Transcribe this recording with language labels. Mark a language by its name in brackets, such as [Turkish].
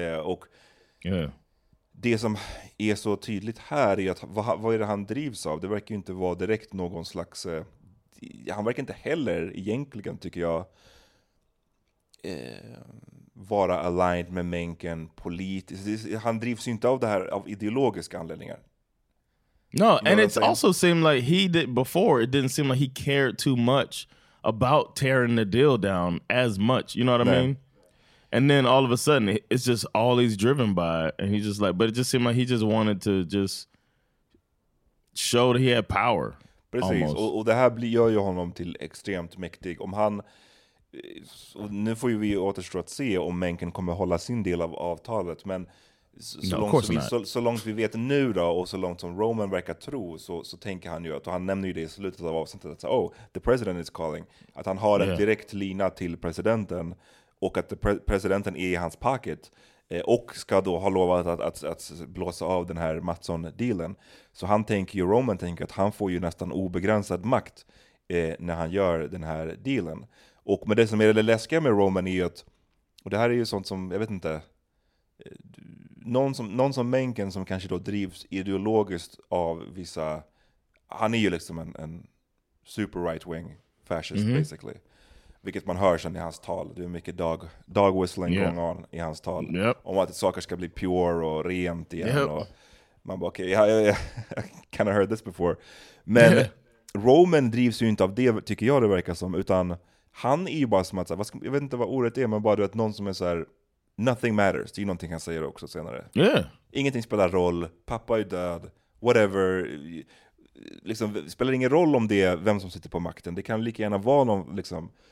[Swedish] Och det som är så tydligt här är att vad är det han drivs av? Det verkar ju inte vara direkt någon slags... han verkar inte heller egentligen, tycker jag, vara aligned med Mencken politiskt. Han drivs ju inte av det här av ideologiska anledningar. [English] No, and it also seemed like he did before, it didn't seem like he cared too much about tearing the deal down as much, you know what I mean? And then all of a sudden it's just all he's driven by and he's just like, but it just seemed like he just wanted to just show that he had power. [Swedish] Precis, och det här gör ju honom till extremt mäktig. Om han, nu får ju vi återstå att se om Mencken kommer hålla sin del av avtalet, men så långt vi vet nu då, och så långt som Roman verkar tro, så tänker han ju att, och han nämner ju det i slutet av avsnittet, att [English] the president is calling, [Swedish] att han har en direkt lina till presidenten och att presidenten är i hans pocket. Och ska då ha lovat att blåsa av den här Mattsson-dealen. Så han tänker ju, Roman tänker att han får ju nästan obegränsad makt när han gör den här dealen. Och med det som är det läskiga med Roman är ju att, och det här är ju sånt som, jag vet inte, någon som Mencken som kanske då drivs ideologiskt av vissa, han är ju liksom en [English] super right wing fascist basically. [Swedish] Vilket man hör sedan i hans tal. Det är mycket [English] dog whistling going on [Swedish] i hans tal. Om att saker ska bli pure och rent igen. Och man bara, [English] okay, I kind of heard this before. [Swedish] Men Roman drivs ju inte av det, tycker jag det verkar som. Utan han är ju bara som att, jag vet inte vad ordet är, men bara du vet, någon som är så här, [English] nothing matters. [Swedish] Det är ju någonting han säger också senare. Ingenting spelar roll. Pappa är död. Whatever. Liksom, det spelar ingen roll om det är vem som sitter på makten. Det kan lika gärna vara någon liksom...